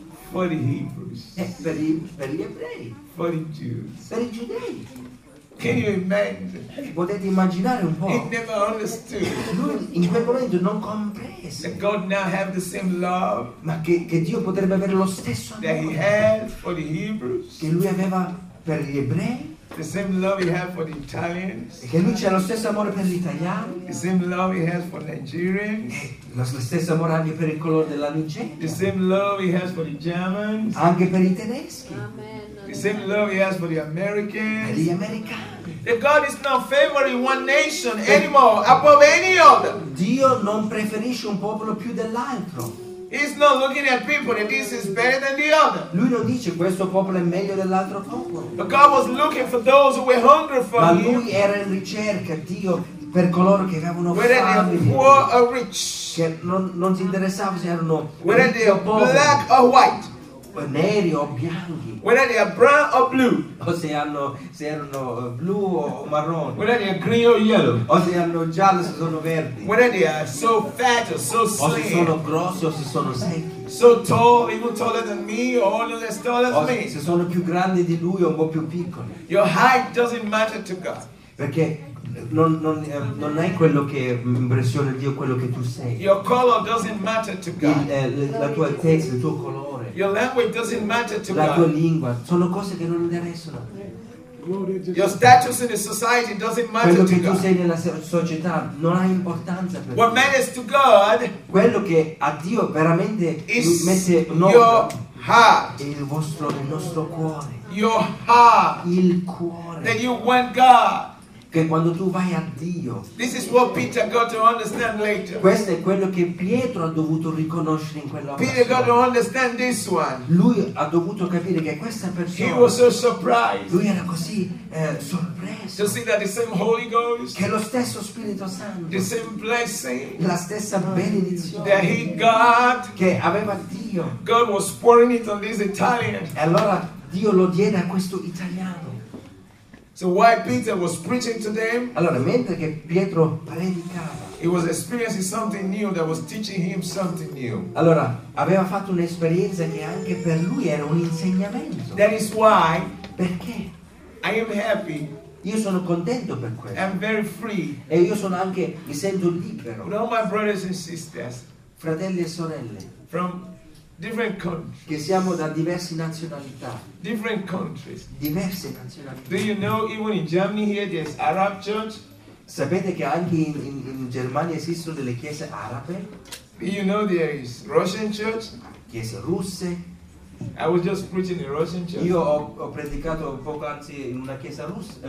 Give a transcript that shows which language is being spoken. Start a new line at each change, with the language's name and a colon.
English: for the Hebrews,
Italian: per gli ebrei,
English: for the Jews,
Italian: per i giudei.
English: Can you imagine?
Italian: Potete immaginare un po'?
English: He never understood.
Italian: Lui in quel momento non comprese.
English: That God now have the same love.
Italian: Ma che Dio potrebbe avere lo stesso amore.
English: That he had for the Hebrews.
Italian: Che lui aveva per gli ebrei.
English: The same love he has for the Italians.
Italian: E che lui c'ha lo stesso amore per gli italiani.
English: The same love he has for Nigerians.
Italian: Lo stesso amore anche per il colore della Nigeria.
English: The same love he has for the Germans.
Italian: Anche per i tedeschi.
English: The same love he has for the Americans.
Italian: Per gli americani.
English: The God is not favoring one nation anymore above any other.
Italian: Dio non preferisce un popolo più dell'altro.
English: He's not looking at people that this is better than the other.
Italian: Lui non dice questo popolo è meglio dell'altro popolo.
English: But God was looking for those who were hungry for
Italian: Ma
English: him.
Italian: Ma lui era in ricerca Dio per coloro che avevano
English: whether
Italian: fame.
English: Whether they were poor or rich.
Italian: Che non si interessava se erano
English: whether
Italian: ricchi o poveri.
English: Black or white.
Italian: O neri o bianchi.
English: Whether they are brown or blue.
Italian: O se erano blu o marrone.
English: Whether they are green or yellow.
Italian: O se erano gialli o se sono verdi.
English: Whether they are so fat or so slim.
Italian: O se sono grossi o se sono secchi.
English: So tall, even taller than me, or only less tall than me.
Italian: Se sono più grandi di lui o un po' più piccoli.
English: Your height doesn't matter to God.
Italian: Perché non è quello che impressiona Dio quello che tu sei.
English: Your color doesn't matter to God.
Italian: La tua testa, il tuo colore.
English: Your language doesn't matter to
Italian: la tua
English: God.
Italian: Lingua sono cose che non interessano.
English: Your status in the society doesn't matter
Italian: quello che
English: to
Italian: tu
English: God.
Italian: Sei nella società non ha importanza per
English: what
Italian: te.
English: Matters to God
Italian: quello che a Dio veramente
English: is
Italian: mette
English: your heart
Italian: il vostro il nostro cuore
English: your heart
Italian: il cuore
English: that you want God.
Italian: Che quando tu vai a Dio.
English: This is what Peter got to understand later.
Italian: Questo è quello che Pietro ha dovuto riconoscere in quella
English: Peter got to understand this one.
Italian: Lui ha dovuto capire che questa persona.
English: He was so surprised.
Italian: Lui era così sorpreso.
English: To see that the same Holy Ghost.
Italian: Che lo stesso Spirito Santo.
English: The same blessing.
Italian: La stessa benedizione.
English: That he got.
Italian: Che aveva Dio.
English: God was pouring it on this Italian.
Italian: E allora Dio lo diede a questo italiano.
English: So while Peter was preaching to them,
Italian: allora mentre che Pietro predicava,
English: he was experiencing something new that was teaching him something new.
Italian: Allora aveva fatto un'esperienza che anche per lui era un insegnamento.
English: That is why,
Italian: perché,
English: I am happy.
Italian: Io sono contento per questo.
English: I'm very free.
Italian: E io sono anche mi sento libero.
English: With all my brothers and sisters,
Italian: fratelli e sorelle,
English: from different countries.
Italian: Che siamo da diverse nazionalità.
English: Different countries.
Italian: Diverse nazionalità.
English: Do you know even in Germany here there's Arab church?
Italian: Sapete che anche in Germania esistono delle chiese arabe?
English: Do you know there is Russian church?
Italian: Chiese russe.
English: I was just preaching in Russian church.
Italian: Io ho predicato poco anzi in una chiesa russa.